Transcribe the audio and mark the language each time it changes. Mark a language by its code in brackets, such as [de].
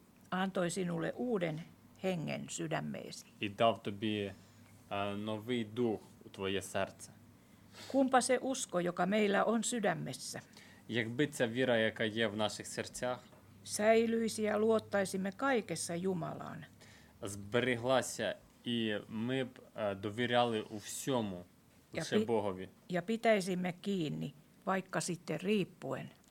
[fi] Antoi sinulle uuden hengen sydämeesi. [uk] І дав тобі новий дух у твоє серце. [fi] Kumpa se usko, joka meillä on sydämessä? [uk] Якби ця віра, яка є в наших серцях, [fi] säilyisi ja luottaisimme kaikessa Jumalaan. [uk] Збереглася, і ми б довіряли у всьому, усе Богові. [fi] Ja pitäisimme kiinni, vaikka sitten riippuen.